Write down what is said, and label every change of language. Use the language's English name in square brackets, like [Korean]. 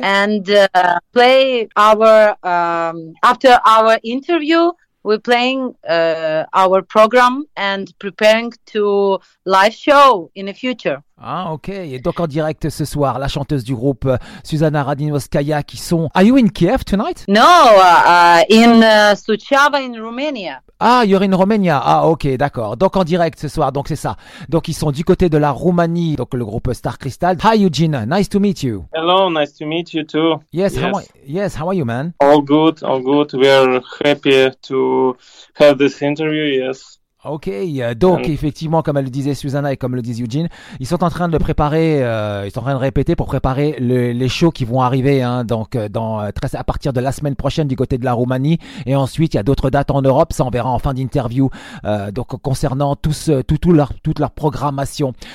[English] And play our, after our interview, we're playing our program and preparing to live show in the future. Ah, ok. [French] Et donc en direct ce soir, la chanteuse du groupe Susanna Radinovskaya qui sont... [English] Are you in Kiev tonight? No, in Suceava in Romania. Ah, you're in Romania. Ah, ok, d'accord. [French] Donc en direct ce soir, donc c'est ça. Donc ils sont du côté de la Roumanie, donc le groupe Star Crystal. [English] Hi Eugene, nice to meet you. Hello, nice to meet you too. Yes, how are you, man? All good. We are happy to have this interview, yes. [French] Ok, donc effectivement, comme elle le disait Susanna et comme le disait Eugene, ils sont en train de préparer, ils sont en train de répéter pour préparer les shows qui vont arriver, hein, donc à partir de la semaine prochaine du côté de la Roumanie, et ensuite il y a d'autres dates en Europe, ça on verra en fin d'interview, donc concernant toute leur programmation.